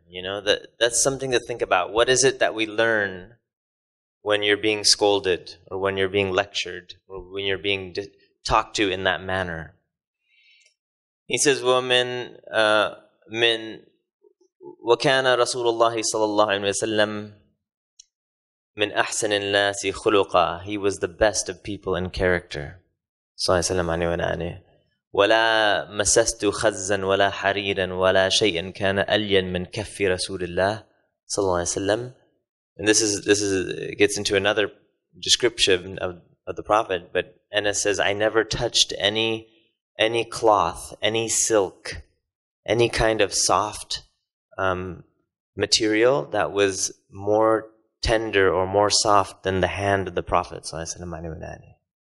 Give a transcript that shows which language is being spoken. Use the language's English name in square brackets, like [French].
[English] You know, that's something to think about. What is it that we learn when you're being scolded or when you're being lectured or when you're being talked to in that manner? He says, [Arabic] "Woman, min wakana Rasulullah sallallahu alaihi wasallam." من أحسن الناس خلقا. [English] He was the best of people in character. [Arabic] صلى الله عليه وسلم. ولا مسست خزا ولا حريرا ولا شيئا كان ألين من كف رسول الله صلى الله عليه وسلم. [English] And this gets into another description of the Prophet. But Anas says, I never touched any cloth, any silk, any kind of soft material that was more tender or more soft than the hand of the Prophet ﷺ.